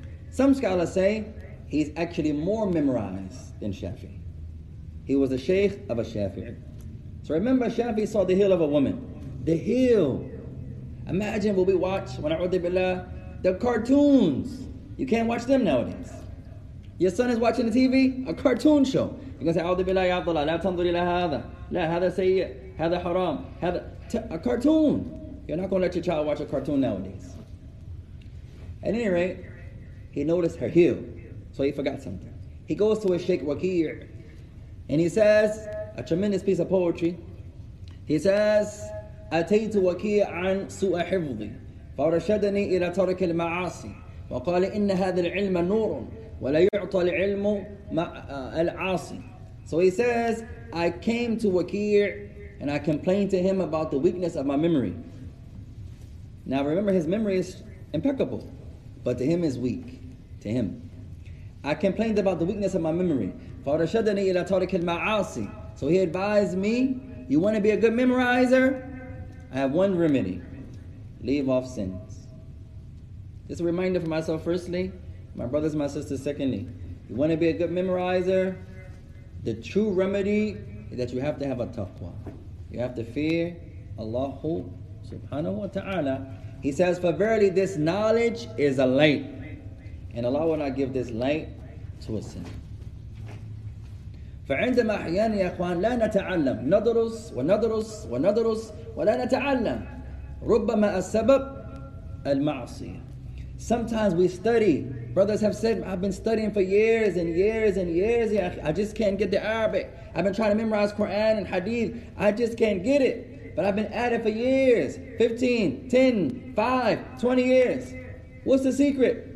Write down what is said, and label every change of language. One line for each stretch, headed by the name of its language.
English: Some scholars say he's actually more memorized than Shafi'i. He was a sheikh of a Shafi'i. So remember, Shafi'i saw the heel of a woman. The heel. Imagine what we watch when I'udhu billah, the cartoons. You can't watch them nowadays. Your son is watching the TV, a cartoon show. You're going to say,
Arabic: أعوذ بالله يا عبد الله, لا تنظر إلى هذا. لا هذا سيء, هذا حرام. هذا
English: a cartoon. You're not going to let your child watch a cartoon nowadays. At any rate, he noticed her heel. So he forgot something. He goes to his Sheikh Waqir, and he says a tremendous piece of poetry. He says,
Arabic: أتيت وكيع عن سوء حفظي فرشدني إلى ترك المعاصي وقال إن هذا العلم نور ولا يعطى العلم العاصي.
English: So he says, I came to Waqir and I complained to him about the weakness of my memory. Now remember, his memory is impeccable, but to him is weak. To him, I complained about the weakness of my memory.
Arabic: فرشدني إلى ترك المعاصي.
English: So he advised me, you want to be a good memorizer? I have one remedy. Leave off sins. Just a reminder for myself firstly, my brothers and my sisters secondly. You want to be a good memorizer? The true remedy is that you have to have a taqwa. You have to fear Allah subhanahu wa ta'ala. He says, for verily this knowledge is a light. And Allah will not give this light to a sinner.
Arabic: فعندما أحيانا يا أخوان لا نتعلم ندرس وندرس وندرس ولا نتعلم ربما السبب المعصية.
English: Sometimes we study. Brothers have said, I've been studying for years and years and years. Yeah, I just can't get the Arabic. I've been trying to memorize Quran and Hadith. I just can't get it. But I've been at it for years. 15, 10, 5, 20 years. What's the secret?